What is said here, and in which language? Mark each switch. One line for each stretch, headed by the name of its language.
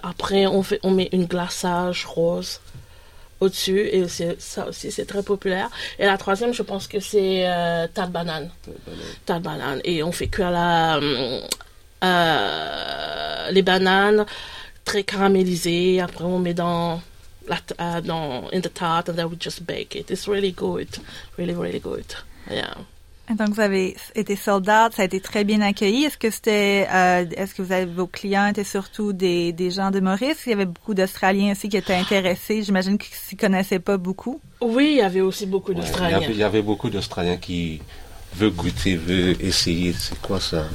French: Après, on met une glaçage rose au-dessus, et ça aussi, c'est très populaire. Et la troisième, je pense que c'est tarte banane. Tarte banane. Et on fait cuire les bananes très caramélisées. Après, on met
English: in the tart, and then we just bake it. It's really good. Really, really good. Yeah.
French: Et donc, vous avez été sold out, ça a été très bien accueilli. Est-ce que vos clients étaient surtout des gens de Maurice? Il y avait beaucoup d'Australiens aussi qui étaient intéressés. J'imagine qu'ils ne s'y connaissaient pas beaucoup. Oui, il y avait aussi beaucoup d'Australiens. Il y avait beaucoup d'Australiens qui veulent goûter, veulent essayer. C'est quoi ça?